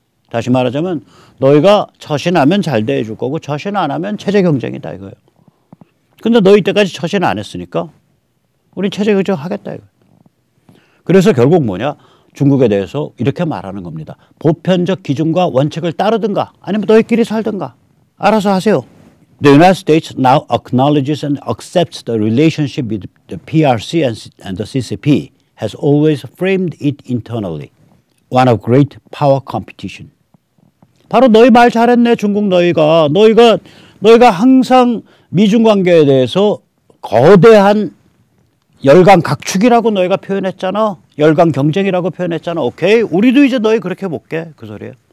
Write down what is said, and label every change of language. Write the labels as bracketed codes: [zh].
[ko] 다시 말하자면 너희가 처신 하면 잘 대해줄 거고 처신 안 하면 체제 경쟁이다 이거예요. 근데 너희 때까지 처신 안 했으니까 우린 체제 경쟁하겠다 이거예요. 그래서 결국 뭐냐? 중국에 대해서 이렇게 말하는 겁니다. 보편적 기준과 원칙을 따르든가 아니면 너희끼리 살든가 알아서 하세요. [en] The United States now acknowledges and accepts the relationship with the PRC and the CCP has always framed it internally. One of great power competition. [ko] 바로 너희 말 잘했네, 중국 너희가. 너희가 항상 미중 관계에 대해서 거대한 열강 각축이라고 너희가 표현했잖아. 열강 경쟁이라고 표현했잖아. 오케이, 우리도 이제 너희 그렇게 볼게. 그 소리야.